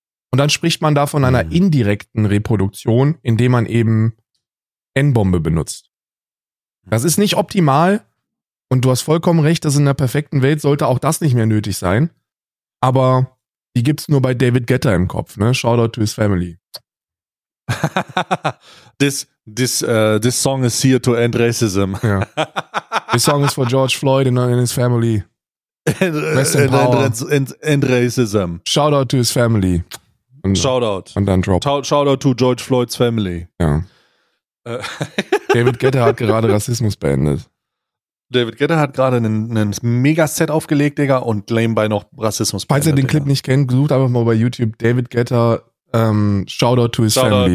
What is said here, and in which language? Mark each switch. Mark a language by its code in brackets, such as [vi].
[de] Und dann spricht man da von einer indirekten Reproduktion, indem man eben N-Bombe benutzt. Das ist nicht optimal und du hast vollkommen recht, dass in der perfekten Welt sollte auch das nicht mehr nötig sein, aber die gibt's nur bei David Guetta im Kopf, ne? [en] Shoutout to his family. this song is here to end racism. Yeah. This song is for George Floyd and his family. End racism. Shoutout to his family. [de] Und, [en] shoutout. [de] Und dann drop. [en] Shoutout to George Floyd's family. [de] Ja. David Guetta hat gerade Rassismus beendet. David Guetta hat gerade einen Mega-Set aufgelegt, Digga, und claim bei noch Rassismus beendet. Falls ihr den Clip nicht kennt, sucht einfach mal bei YouTube David Guetta, [en] Shoutout to his Shoutout family.